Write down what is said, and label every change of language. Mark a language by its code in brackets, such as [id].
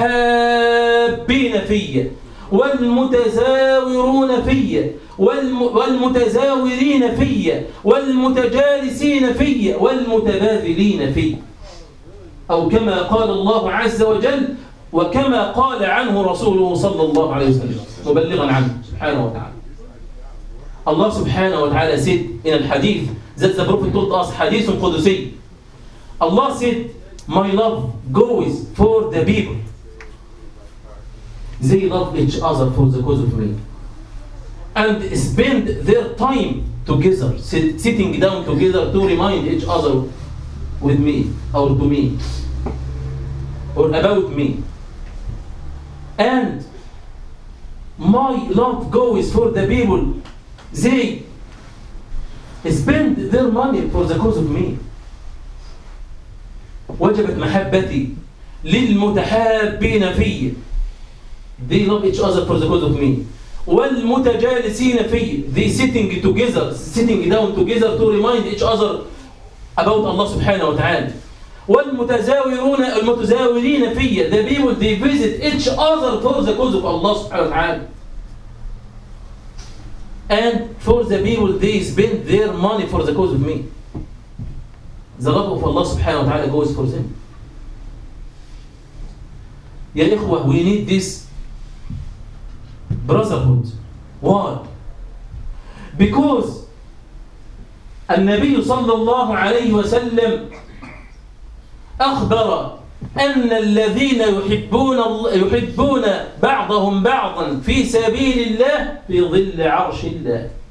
[ar] للمتحابين في والمتزاورون في والمتزاورين في والمتجالسين في والمتبادلين في, أو كما قال الله عز وجل وكما قال عنه رسوله صلى الله عليه وسلم مبلغا عنه سبحانه وتعالى. [en] الله سبحانه وتعالى said in the hadith that the Prophet told us, حديث قدسي. Allah said, my love goes for the people. They love each other for the cause of me. And spend their time together, sitting down together to remind each other with me or to me or about me. And my love goes for the people. They spend their money for the cause of me. [ar] وجبت محبتي للمتحابين في. [en] They love each other for the cause of me. [ar] والمتجالسين في. [en] They sitting together, sitting down together to remind each other about Allah subhanahu wa ta'ala. [ar] والمتزاورون المتزاورين فيا. [en] The people they visit each other for the cause of Allah سبحانه وتعالى. And for the people they spend their money for the cause of me. The love of Allah سبحانه وتعالى goes for them. [ar] يا إخوة, [en] we need this brotherhood. Why? [ar] Because النبي صلى الله عليه وسلم أخبر أن الذين يحبون بعضهم بعضا في سبيل الله في ظل عرش الله.